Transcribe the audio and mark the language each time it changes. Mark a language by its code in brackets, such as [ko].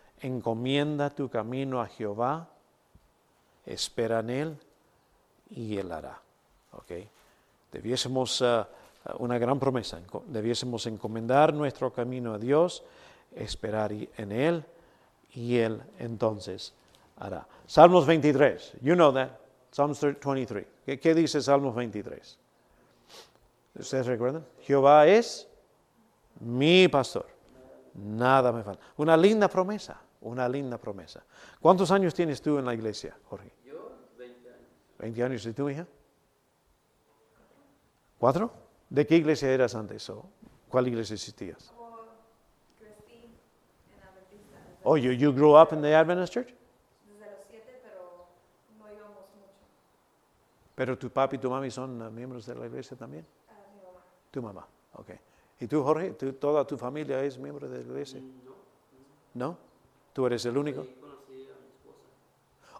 [es] Encomienda tu camino a Jehová, espera en él y él hará. ¿Okay? Debiésemos, una gran promesa, debiésemos encomendar nuestro camino a Dios, esperar en él y él entonces hará. [en] Salmos 23, you know that, Psalms 23. [es] ¿Qué dice Salmos 23? ¿Ustedes recuerdan? Jehová es mi pastor, nada me falta. Una linda promesa. Una linda promesa. ¿Cuántos años tienes tú en la iglesia, Jorge? Yo, 20 años. ¿20 años? ¿Y tú, hija? ¿Cuatro? ¿De qué iglesia eras antes? ¿O cuál iglesia existías? Crecí en Adventista. [en] Oh, you grew up in the Adventist Church? [es] Desde los 7, pero no íbamos mucho. ¿Pero tu papi y tu mami son miembros de la iglesia también? Mi mamá. Tu mamá, ok. ¿Y tú, Jorge? ¿Tú, toda tu familia es miembro de la iglesia? No. ¿No? ¿Tú eres el único? Ahí conocí a mi esposa.